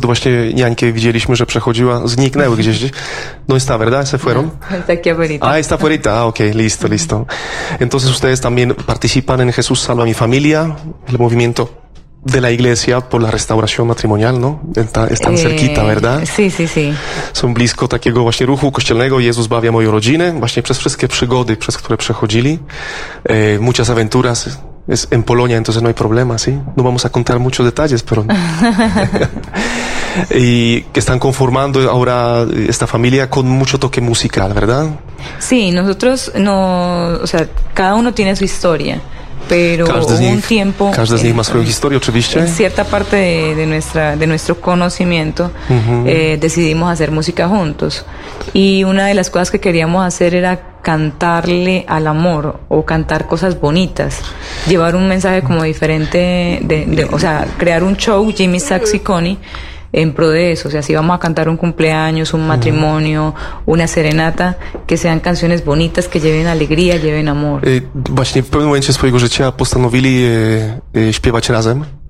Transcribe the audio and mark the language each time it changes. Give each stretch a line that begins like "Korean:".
Polish: Tu właśnie niańkę widzieliśmy, że przechodziła, zniknęły gdzieś.
Spanish: No está, ¿verdad? Se fueron. Está aquí afuera. Ah, está afuera. Ah, ok, listo, listo. Entonces ustedes también participan en Jesús Salva Mi Familia, el movimiento de la iglesia por la restauración matrimonial, ¿no? Están cerquita, ¿verdad? Sí, sí, sí.
Polish: Są blisko takiego właśnie ruchu kościelnego. Jezus zbawia moją rodzinę, właśnie przez wszystkie przygody, przez które przechodzili.
Spanish: Muchas aventuras. Es en Polonia, entonces no hay problema, ¿sí? No vamos a contar muchos detalles, pero... Y que están conformando ahora esta familia con mucho toque musical, ¿verdad? Sí, nosotros no... O sea, cada uno tiene su historia, pero Cada uno tiene su historia,
Polish: oczywiście.
Spanish: En cierta parte de nuestro conocimiento, decidimos hacer música juntos. Y una de las cosas que queríamos hacer era cantarle al amor o cantar cosas bonitas, llevar un mensaje como diferente, o sea, crear un show Jimmy Sachs y Connie en pro de eso. O sea, si vamos a cantar un cumpleaños, un matrimonio, una serenata, que sean canciones bonitas, que lleven alegría, lleven amor.
Polish: Właśnie w pewnym momencie swojego życia postanowili śpiewać razem.